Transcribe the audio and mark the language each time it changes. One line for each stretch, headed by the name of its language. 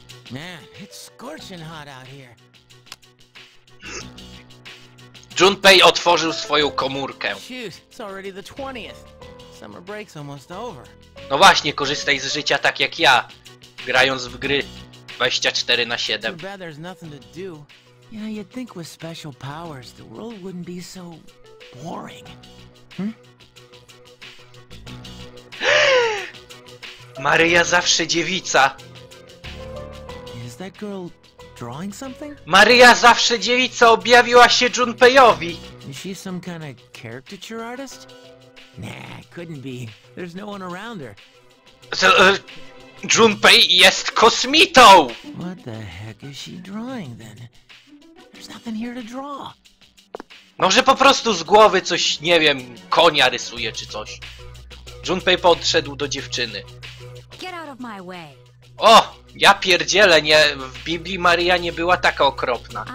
English: Man, it's scorching hot out here.
Polish: Junpei otworzył swoją komórkę.
English: It's already the 20th. Summer break's almost over.
Polish: No właśnie, korzystaj z życia tak jak ja, grając w gry 24/7.
English: Too bad there's nothing to do. Yeah, you'd think with special powers the world wouldn't be so boring.
Polish: Maryja zawsze dziewica.
English: That girl drawing something?
Polish: Maryja zawsze dziewica objawiła się Junpei'owi.
English: Is she some kind of caricature artist? Nah, couldn't be. There's no one around her.
Polish: Junpei jest kosmitą.
English: What the heck is she drawing then? There's nothing here to draw.
Polish: Może po prostu z głowy coś, nie wiem, konia rysuje czy coś. Junpei podszedł do dziewczyny.
English: Get out of my way.
Polish: O, ja pierdzielę, nie, w Biblii Maryja nie była taka okropna.